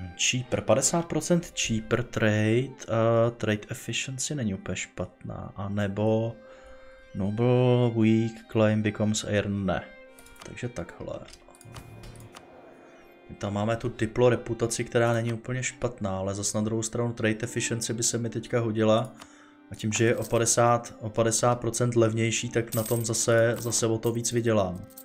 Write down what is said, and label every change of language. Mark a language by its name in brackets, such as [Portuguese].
[English] Cheaper, 50% cheaper trade, trade efficiency [Czech] není úplně špatná, anebo [English] Noble weak claim becomes heir. [Czech] Ne. Takže takhle. My tam máme tu diplo reputaci, která není úplně špatná, ale zas na druhou stranu trade efficiency by se mi teďka hodila. A tím, že je o 50% levnější, tak na tom zase o to víc vydělám.